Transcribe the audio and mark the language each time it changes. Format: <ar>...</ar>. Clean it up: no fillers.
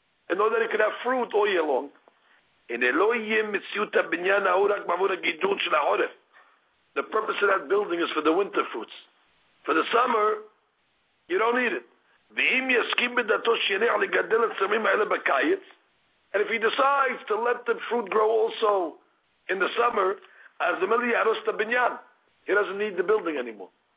<en>In order that he could have fruit all year long.</en> <he>הנה לא יהיה מציאות הבניין ההוא רק בעבור הגידול של החורף.</he> <en>The purpose of that building is for the winter fruits. For the summer, you don't need it. And if he decides to let the fruit grow also in the summer, as the he doesn't need the building anymore.</en>